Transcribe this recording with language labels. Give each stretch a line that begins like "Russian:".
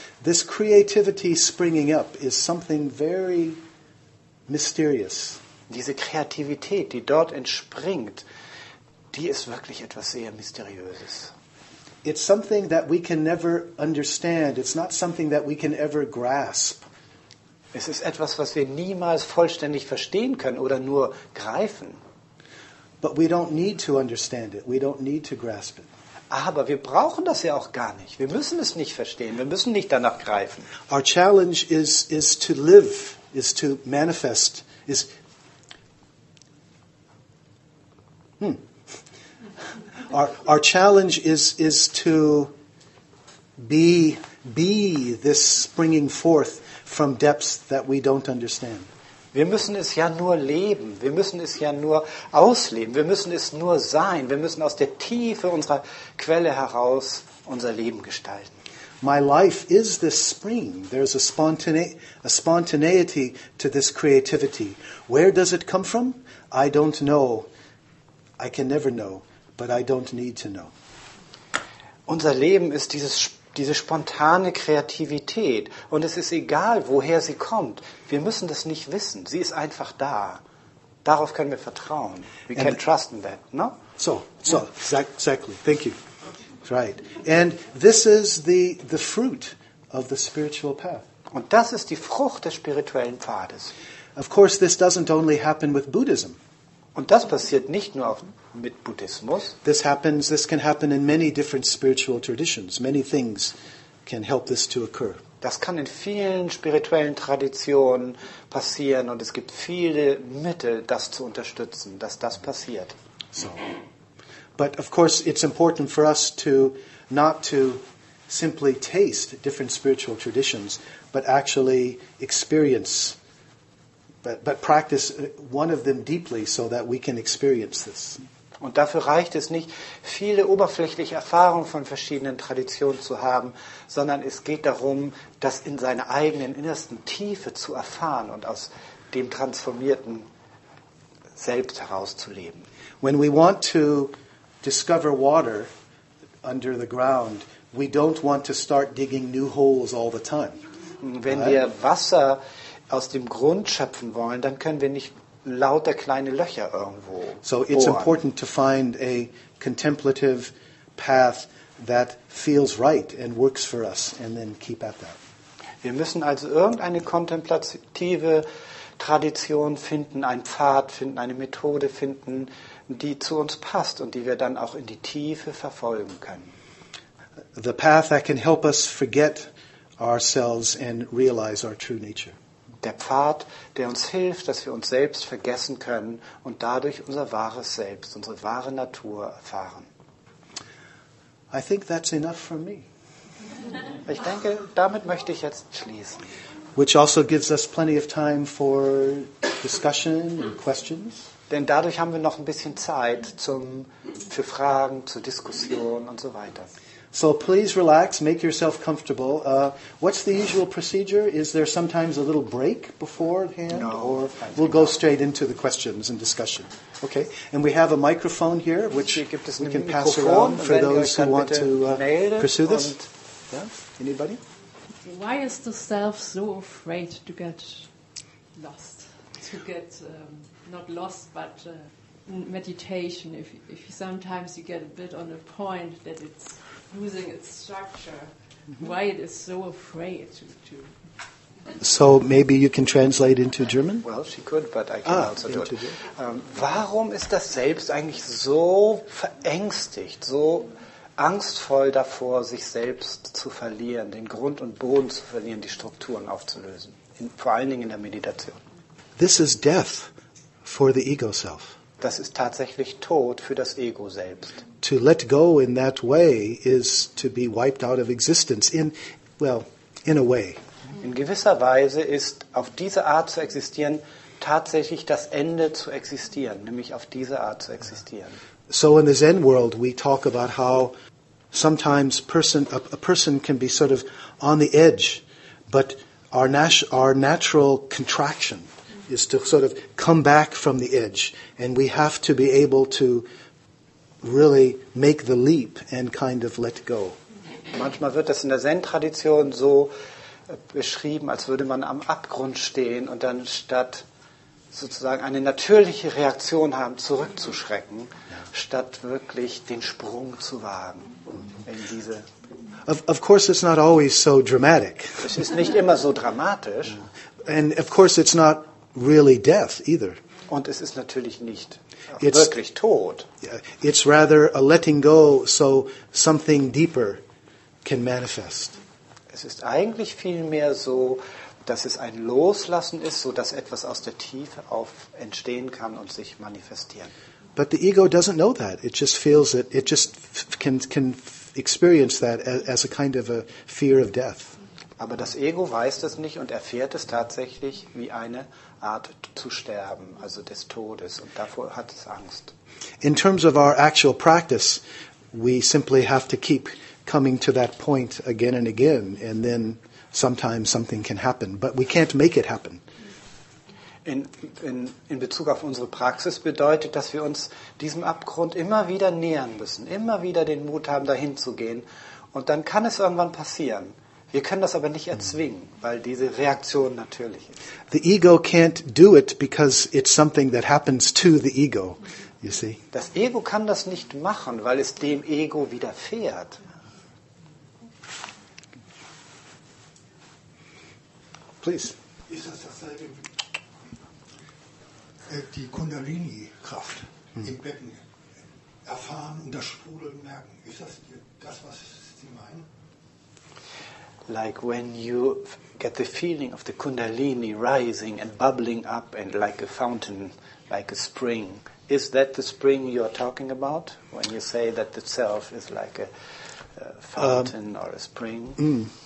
English: This creativity springing up is something very mysterious.
German: Diese Kreativität, die dort entspringt, die ist wirklich etwas sehr Mysteriöses.
English: It's something that we can never understand. It's not something that we can ever grasp.
German: Es ist etwas, was wir niemals vollständig verstehen können oder nur greifen.
English: But we don't need to understand it. We don't need to grasp it.
German: Aber wir brauchen das ja auch gar nicht. Wir müssen es nicht verstehen. Wir müssen nicht danach greifen.
English: Our challenge is to live, is to manifest, is our challenge is to be this springing forth from depths that we don't understand.
German: Wir müssen es ja nur leben, wir müssen es ja nur ausleben, wir müssen es nur sein, wir müssen aus der Tiefe unserer Quelle heraus unser Leben gestalten.
English: My life is this spring. There's a spontaneity to this creativity. Where does it come from? I don't know. I can never know, but I don't need to know.
German: Unser Leben ist diese spontane Kreativität. Und es ist egal, woher sie kommt. Wir müssen das nicht wissen. Sie ist einfach da. Darauf können wir vertrauen.
English: We can trust in that, no? So, exactly. Thank you. Right. And this is the fruit of the spiritual path.
German: Und das ist die Frucht des spirituellen Pfades.
English: Of course, this doesn't only happen with Buddhism.
German: Und das passiert nicht nur mit Buddhismus.
English: This can happen in many different spiritual traditions. Many things can help this to occur.
German: Das kann in vielen spirituellen Traditionen passieren und es gibt viele Mittel, das zu unterstützen, dass das passiert. So.
English: But of course it's important for us to not to simply taste different spiritual traditions, but actually experience but practice one of them deeply so that we can experience this.
German: Und dafür reicht es nicht, viele oberflächliche Erfahrungen von verschiedenen Traditionen zu haben, sondern es geht darum, das in seiner eigenen innersten Tiefe zu erfahren und aus dem transformierten Selbst herauszuleben.
English: When we want to discover water under the ground, we don't want to start digging new holes all the time.
German: Wenn wir Wasser aus dem Grund schöpfen wollen, dann können wir nicht lauter kleine Löcher irgendwo bohren.
English: So it's important to find a contemplative path that feels right and works for us and then keep at that.
German: Wir müssen also irgendeine kontemplative Tradition finden, einen Pfad finden, eine Methode finden, die zu uns passt und die wir dann auch in die Tiefe verfolgen können.
English: The path that can help us forget ourselves and realize our true nature.
German: Der Pfad, der uns hilft, dass wir uns selbst vergessen können und dadurch unser wahres Selbst, unsere wahre Natur erfahren.
English: I think that's enough for me.
German: Ich denke, damit möchte ich jetzt schließen.
English: Which also gives us plenty of time for discussion and questions.
German: Denn dadurch haben wir noch ein bisschen Zeit für Fragen, zur Diskussion und so weiter.
English: So please relax, make yourself comfortable. What's the usual procedure? Is there sometimes a little break beforehand? No, or we'll go straight into the questions and discussion. Okay, and we have a microphone here, which we can pass around for those who want to pursue this. Yeah? Anybody? Why is the self so afraid to get lost? To get not lost, but meditation. If sometimes you get a bit on a point that it's losing its structure, why it is so afraid to? So maybe you can translate into German. Well, she could, but I can also do it.
German: Warum ist das Selbst eigentlich so verängstigt, so angstvoll davor, sich selbst zu verlieren, den Grund und Boden zu verlieren, die Strukturen aufzulösen, vor allen Dingen in der Meditation?
English: This is death for the ego self.
German: Das ist tatsächlich Tod für das Ego selbst.
English: To let go in that way is to be wiped out of existence in a way.
German: In gewisser Weise ist auf diese Art zu existieren tatsächlich das Ende zu existieren, nämlich auf diese Art zu existieren.
English: So in the Zen world we talk about how sometimes a person can be sort of on the edge, but our natural contraction is to sort of come back from the edge, and we have to be able to really make the leap and kind of let go.
German: Manchmal wird das in der Zen-Tradition so beschrieben, als würde man am Abgrund stehen und dann statt sozusagen eine natürliche Reaktion haben, zurückzuschrecken, statt wirklich den Sprung zu wagen in diese.
English: Of course, it's not always so dramatic.
German: Es ist nicht immer so dramatisch.
English: And of course, it's not really death either.
German: Und es ist natürlich nicht wirklich tot.
English: It's rather a letting go, so something deeper can manifest.
German: Es ist eigentlich vielmehr so, dass es ein Loslassen ist, so dass etwas aus der Tiefe auf entstehen kann und sich manifestieren.
English: But the ego doesn't know that. It just feels it. It just can experience that as a kind of a fear of death.
German: Aber das Ego weiß es nicht und erfährt es tatsächlich wie eine Art zu sterben, also des Todes, und davor hat es Angst.
English: In terms of our actual practice, we simply have to keep coming to that point again and again, and then sometimes something can happen, but we can't make it happen.
German: In Bezug auf unsere Praxis bedeutet, dass wir uns diesem Abgrund immer wieder nähern müssen, immer wieder den Mut haben, dahin zu gehen, und dann kann es irgendwann passieren. Wir können das aber nicht erzwingen, weil diese Reaktion natürlich ist.
English: The ego can't do it because it's something that happens to the ego, you see.
German: Das Ego kann das nicht machen, weil es dem Ego widerfährt.
English: Please.
German: Ist das dasselbe? Die Kundalini-Kraft im Becken erfahren und das Sprudeln merken. Ist das das, was Sie meinen?
English: Like when you get the feeling of the Kundalini rising and bubbling up and like a fountain, like a spring. Is that the spring you're talking about when you say that the self is like a fountain or a spring?